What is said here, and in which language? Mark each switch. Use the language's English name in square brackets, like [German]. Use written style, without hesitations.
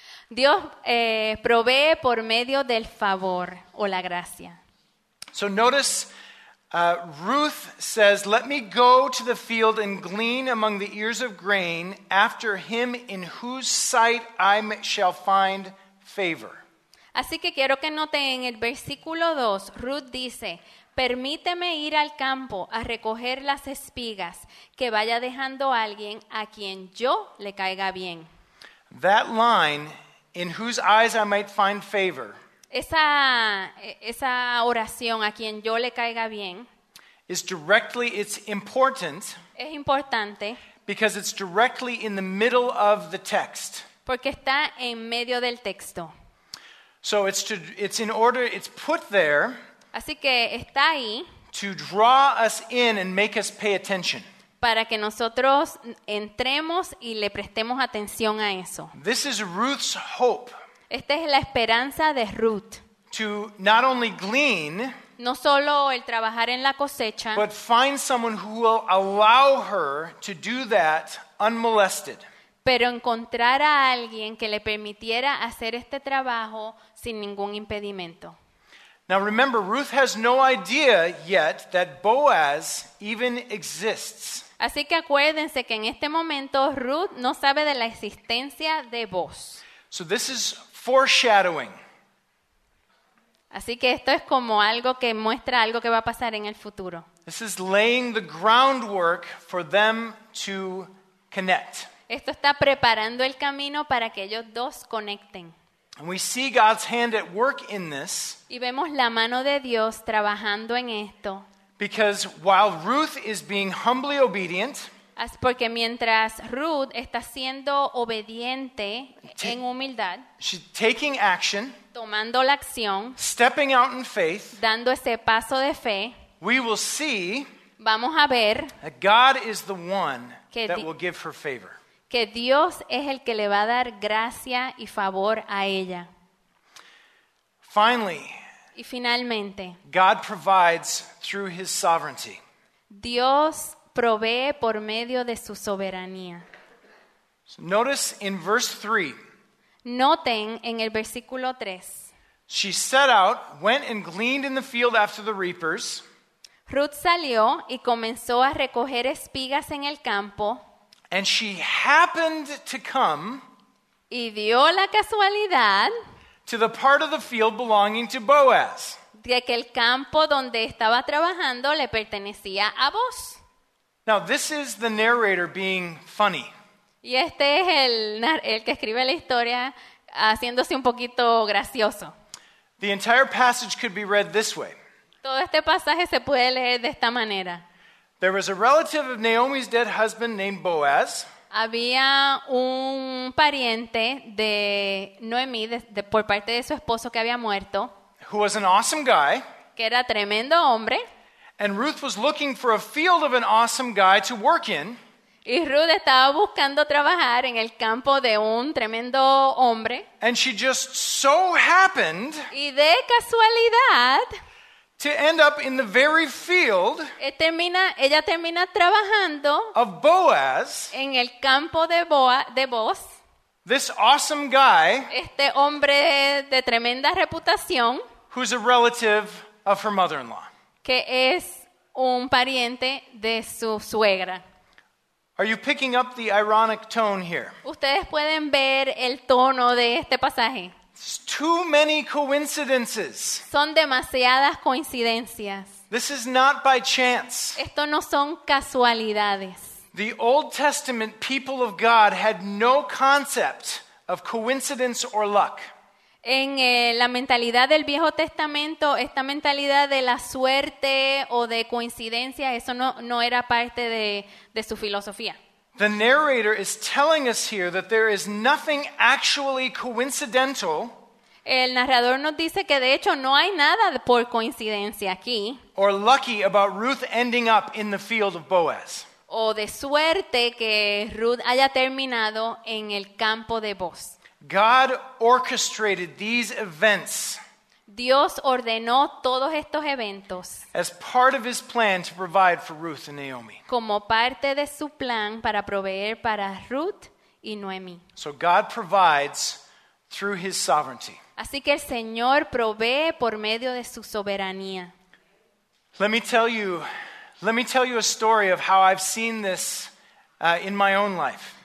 [Spanish] Dios provee por medio del favor o la gracia. [English] So notice, Ruth says, "Let me go to the field and glean among the ears of grain after him in whose sight I shall find favor." [Spanish] Así que quiero que noten en el versículo 2, Ruth dice, permíteme ir al campo a recoger las espigas que vaya dejando alguien a quien yo le caiga bien. [English] That line, in whose eyes I might find favor, [Spanish] esa oración, a quien yo le caiga bien, [English] is directly, it's important, [Spanish] es importante, [English] because it's directly in the middle of the text. [Spanish] Porque está en medio del texto. [English] So it's in order, it's put there. [Spanish] Así que está ahí. [English] To draw us in and make us pay attention. [Spanish] Para que nosotros entremos y le prestemos atención a eso. [English] This is Ruth's hope. [Spanish] Esta es la esperanza de Ruth. [English] To not only glean. [Spanish] No solo el trabajar en la cosecha. [English] But find someone who will allow her to do that unmolested. [Spanish] Pero encontrar a alguien que le permitiera hacer este trabajo sin ningún impedimento. [English] Now remember, Ruth has no idea yet that Boaz even exists. [Spanish] Así que acuérdense que en este momento Ruth no sabe de la existencia de Boaz. [English] So this is foreshadowing. [Spanish] Así que esto es como algo que muestra algo que va a pasar en el futuro. [English] This is laying the groundwork for them to connect. [Spanish] Esto está preparando el camino para que ellos dos conecten. [English] And we see God's hand at work in this. [Spanish] Y vemos la mano de Dios trabajando en esto. [English] Because while Ruth is being humbly obedient, [Spanish] porque mientras Ruth está siendo obediente en humildad, [English] she's taking action, [Spanish] tomando la acción, [English] stepping out in faith, [Spanish] dando ese paso de fe, [English] we will see, [Spanish] vamos a ver, [English] that God is the one that will give her favor. [Spanish] Que Dios es el que le va a dar gracia y favor a ella. [English] Finally, [Spanish] y finalmente, [English] God provides through his sovereignty. [Spanish] Dios provee por medio de su soberanía. [English] Notice in verse 3. [Spanish] Noten en el versículo 3. [English] She set out, went and gleaned in the field after the reapers. [Spanish] Ruth salió y comenzó a recoger espigas en el campo. [English] And she happened to come. [Spanish] Y dio la casualidad. [English] To the part of the field belonging to Boaz. [Spanish] De que el campo donde estaba trabajando le pertenecía a Boaz. [English] Now this is the narrator being funny. [Spanish] Y este es el que escribe la historia haciéndose un poquito gracioso. [English] The entire passage could be read this way. [Spanish] Todo este pasaje se puede leer de esta manera. [English] There was a relative of Naomi's dead husband named Boaz. [Spanish] Había un pariente de Noemí por parte de su esposo que había muerto. [English] Who was an awesome guy. [Spanish] Que era tremendo hombre. [English] And Ruth was looking for a field of an awesome guy to work in. [Spanish] Y Ruth estaba buscando trabajar en el campo de un tremendo hombre. [English] And she just so happened. [Spanish] Y de casualidad. [English] To end up in the very field. [Spanish] Ella termina trabajando. [English] Of Boaz. [Spanish] En el campo de Boaz. [English] This awesome guy. [Spanish] Este hombre de tremenda reputación. [English] Who's a relative of her mother-in-law. [Spanish] Que es un pariente de su suegra. [English] Are you picking up the ironic tone here? [Spanish] Ustedes pueden ver el tono de este pasaje. [English] It's too many coincidences. [Spanish] Son demasiadas coincidencias. [English] This is not by chance. [Spanish] Esto no son casualidades. [English] The Old Testament people of God had no concept of coincidence or luck. [Spanish] En la mentalidad del Viejo Testamento, esta mentalidad de la suerte o de coincidencia, eso no era parte de su filosofía. [English] The narrator is telling us here that there is nothing actually coincidental. [Spanish] El narrador nos dice que de hecho no hay nada por coincidencia aquí. [English] Or lucky about Ruth ending up in the field of Boaz. [Spanish] O de suerte que Ruth haya terminado en el campo de Boaz. [English] God orchestrated these events. [Spanish] Dios ordenó todos estos eventos. [English] As part of his plan to provide for Ruth and Naomi. [Spanish] Como parte de su plan para proveer para Ruth y Noemi. [English] So God provides through his sovereignty. [Spanish] Así que el Señor provee por medio de su soberanía. [English] Let me tell you a story of how I've seen this in my own life.